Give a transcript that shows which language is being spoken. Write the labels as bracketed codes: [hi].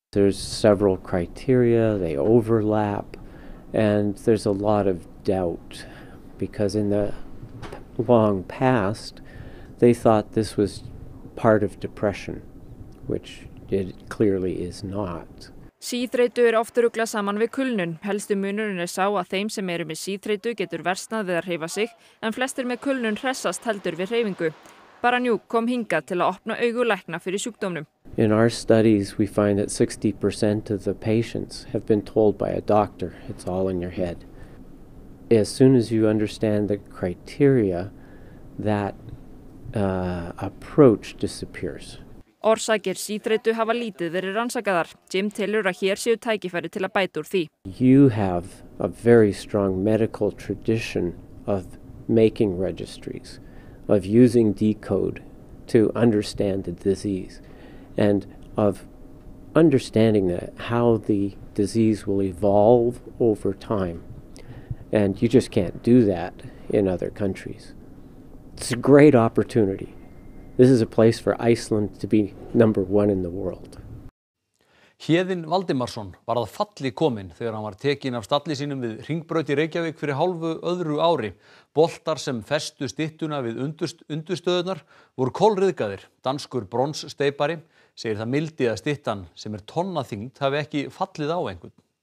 [en] There's several criteria, they overlap and there's a lot of doubt because in the long past they thought this was part of depression, which it clearly is not. [is] Síþreytu oft ruglað saman við kulnun. Helstu munurinn sá að þeim sem eru með síþreytu getur versnað við að hreyfa sig, en flestir með kulnun hressast heldur við hreyfingu. Bara nú kom hingað til að opna augu lækna fyrir sjúkdómnum. [en] In our studies we find that 60% of the patients have been told by a doctor, it's all in your head. As soon as you understand the criteria, that approach disappears. [is] Orsakir síþreytu hafa lítið verið rannsakaðar. Jim telur að hér séu tækifæri til að bæta úr því. [en] You have a very strong medical tradition of making registries, of using decode to understand the disease and of understanding that how the disease will evolve over time. And you just can't do that in other countries. It's a great opportunity. This is a place for Iceland to be number one in the world. [is] Héðinn Valdimarsson var að falli kominn þegar hann var tekinn af stalli sínum við Hringbraut í Reykjavík fyrir hálfu öðru ári. Boltar sem festu styttuna við undirstöðurnar voru kolryðgaðir. Danskur bronssteypari segir það mildi að styttan sem er tonnaþyngd hafi ekki fallið á einhvern.